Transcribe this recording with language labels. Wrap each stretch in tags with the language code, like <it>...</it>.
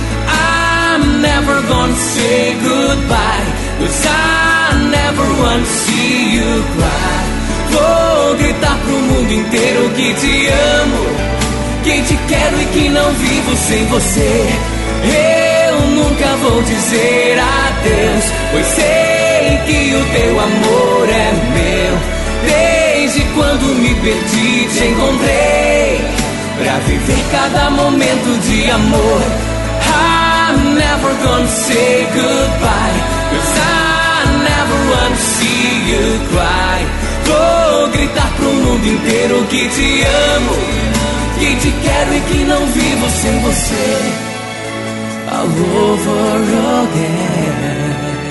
<en>I'm never gonna say goodbye, cause I never wanna see you cry.</en> <pt>Vou gritar pro mundo inteiro que te amo, que te quero e que não vivo sem você. Eu nunca vou dizer adeus, pois sei que o teu amor é meu. Desde quando me perdi te encontrei, pra viver cada momento de amor.</pt> <en>I'm never gonna say goodbye, cause I never wanna see you cry.</en> <pt>Vou gritar pro mundo inteiro que te amo, que te quero e que não vivo sem você.</pt> <en>All over again.</en>